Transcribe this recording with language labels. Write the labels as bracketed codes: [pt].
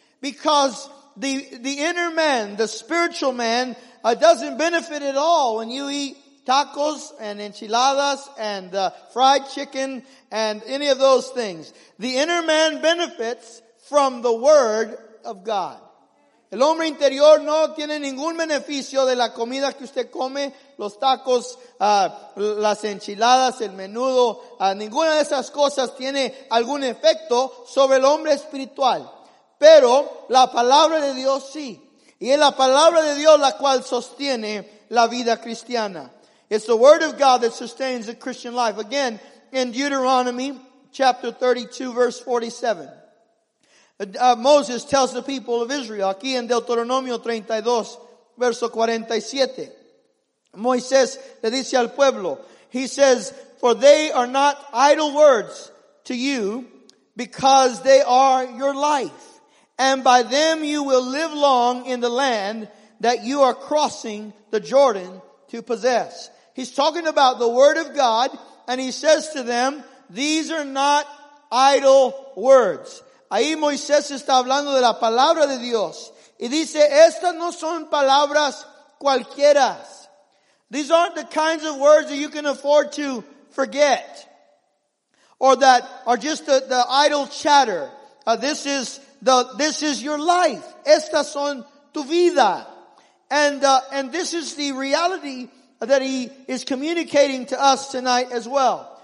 [en] Because the inner man, the spiritual man, doesn't benefit at all when you eat tacos and enchiladas and fried chicken and any of those things. The inner man benefits from the Word of God. [es] El hombre interior no tiene ningún beneficio de la comida que usted come, los tacos, las enchiladas, el menudo. Ninguna de esas cosas tiene algún efecto sobre el hombre espiritual. Pero la palabra de Dios sí. Y es la palabra de Dios la cual sostiene la vida cristiana. [en] It's the word of God that sustains the Christian life. Again, in Deuteronomy chapter 32, verse 47. Moses tells the people of Israel, aquí en Deuteronomio 32, verso 47. Moisés le dice al pueblo, he says, for they are not idle words to you, because they are your life. And by them you will live long in the land that you are crossing the Jordan to possess. He's talking about the word of God, and he says to them, these are not idle words. [es] Ahí Moisés está hablando de la palabra de Dios. Y dice, estas no son palabras cualquiera. [en] These aren't the kinds of words that you can afford to forget. Or that are just the idle chatter. This is your life. Estas son tu vida. And this is the reality that he is communicating to us tonight as well.